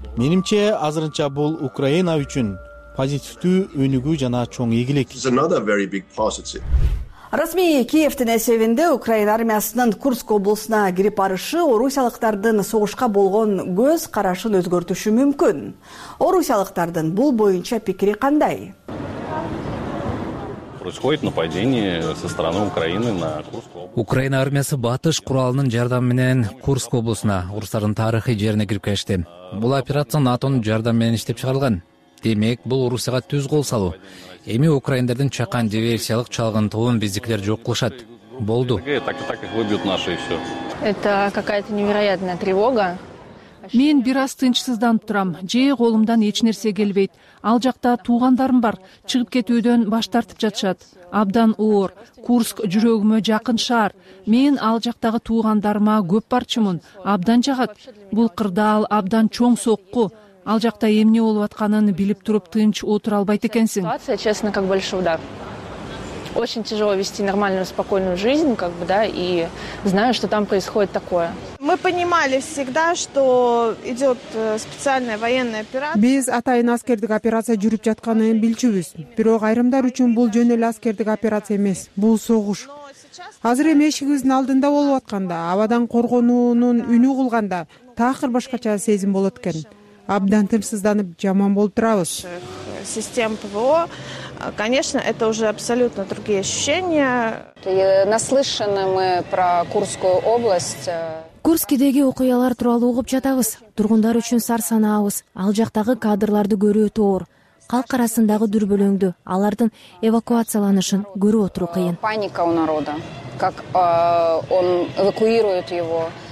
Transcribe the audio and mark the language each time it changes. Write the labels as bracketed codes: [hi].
[ky] Менимче, азырынча бул Украина үчүн позитивдүү өнүгүү жана чоң ийгилик. Расмий Киевтин эсебинде Украина армиясынын Курск облусуна кирип барышы орусиялыктардын согушка болгон көз карашын өзгөртүшү мүмкүн. Орусиялыктардын бул боюнча пикири кандай? [ru] Происходит нападение со стороны Украины на Курск [ky] облусу. Украина армиясы батыш куралынын жардамы менен Курск облусуна урустардын тарыхый жерине кирип келишти. Бул операция НАТОнун жардамы менен иштеп чыгарылган. Демек, бул Орусияга түз кол салуу. Эми украиндердин чакан диверсиялык чалгынтуун биздикилер жок кылышат. Болду. [ru] Это какая-то невероятная тревога. [ky] Мен бир аз тынчсызданып турам. Жээ колумдан эч нерсе келбейт. Ал жакта туугандарым бар. Чыгып кетүүдөн баш тартып жатышат. Абдан оор. Курск жүрөгүмө жакын шаар. Мен ал жактагы туугандарыма көп барчумун. Абдан жагат. Бул кырдаал абдан чоң сокку. Ал жакта эмне болуп атканын билип туруп тынч отура албайт экенсиң. [ru] Ситуация, честно, как большой удар. Очень тяжело вести нормальную, спокойную жизнь, как бы, да, и знаю, что там происходит такое. Мы понимали всегда, что идет специальная военная операция. [ky] Биз атайын аскердик операция жүрүп жатканын билчүбүз. Бирок айрымдар үчүн бул жөн эле аскердик операция эмес, бул согуш. Азыр эми эшигибиздин алдында болуп атканда, абадан коргонуунун үнү кылганда, такыр башкача сезим болот экен. Абдан тынчсызданып жаман болуп турабыз. [ru] Систем ПВО, конечно, это уже абсолютно другие ощущения. Наслышаны мы про Курскую область. [ky] Курскидеги окуялар тууралуу угуп жатабыз. Тургундар үчүн сарсанабыз. Ал жактагы кадрларды көрүү оор. Калк арасындагы дүрбөлөңдү, алардын эвакуацияланышын көрүп отуруу кыйын. [ru] Паника у народа. Как он эвакуирует его.